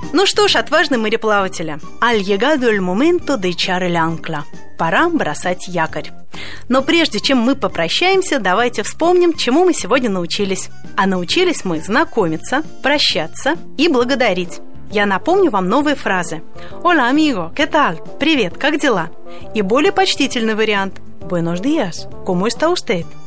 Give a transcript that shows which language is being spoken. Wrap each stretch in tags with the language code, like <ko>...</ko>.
<ru>Ну что ж, отважные мореплаватели,</ru> <es>al llegado el momento de echar el ancla.</es> <ru>Пора бросать якорь. Но прежде чем мы попрощаемся, давайте вспомним, чему мы сегодня научились. А научились мы знакомиться, прощаться и благодарить. Я напомню вам новые фразы.</ru> <es>Hola, amigo, ¿qué tal?</es> <ru>Привет, как дела? И более почтительный вариант.</ru> <es>Buenos días, ¿cómo está usted?</es>